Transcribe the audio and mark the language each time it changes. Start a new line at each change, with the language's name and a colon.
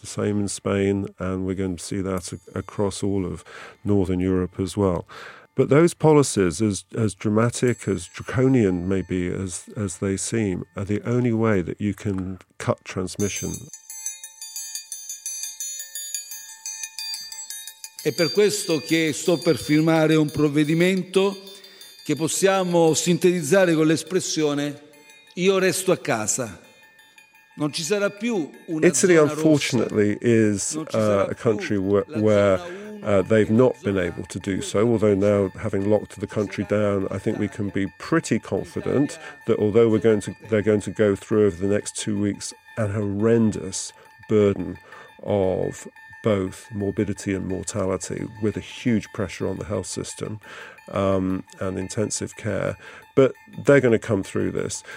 English: The same in Spain, and we're going to see that across all of Northern Europe as well. But those policies, as dramatic, as draconian maybe, as they seem, are the only way that you can cut transmission.
Italian: È per questo che sto per firmare un provvedimento che possiamo sintetizzare con l'espressione io resto a casa.
English: Italy, unfortunately, is a country where they've not been able to do so, although now, having locked the country down, I think we can be pretty confident that although they're going to go through over the next 2 weeks a horrendous burden of both morbidity and mortality, with a huge pressure on the health system and intensive care, but they're going to come through this.